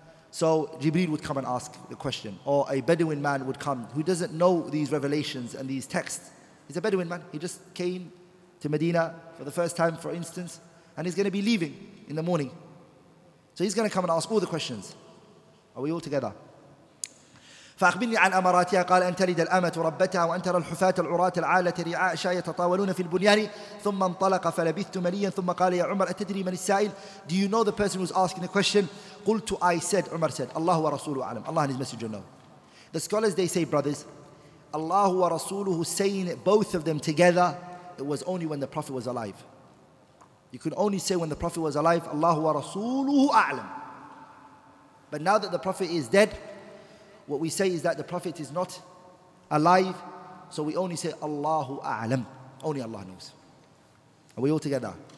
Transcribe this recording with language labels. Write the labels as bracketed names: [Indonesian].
[English] So Jibreel would come and ask the question, or a Bedouin man would come who doesn't know these revelations and these texts. He's a Bedouin man. He just came to Medina for the first time, for instance, and he's going to be leaving in the morning. So he's going to come and ask all the questions. Are we all together? [Arabic] فأخبرني عن أمراتها قال أن تلد الأمة وربتها وأن ترى الحفاة العراة العالة رعاء شاة يتطاولون في البنيان ثم انطلق فلبثت مليا ثم قال يا عمر أتدري من السائل [English] Do you know the person who's asking the question? قلت I said, Umar said, Allah wa Rasuluhu alam. Allah and his messenger know. The scholars, they say, brothers, Allah wa Rasuluhu saying it, both of them together, it was only when the Prophet was alive. You could only say when the Prophet was alive, Allah wa Rasuluhu alam. But now that the Prophet is dead, what we say is that the Prophet is not alive, so we only say Allahu A'lam. Only Allah knows. Are we all together?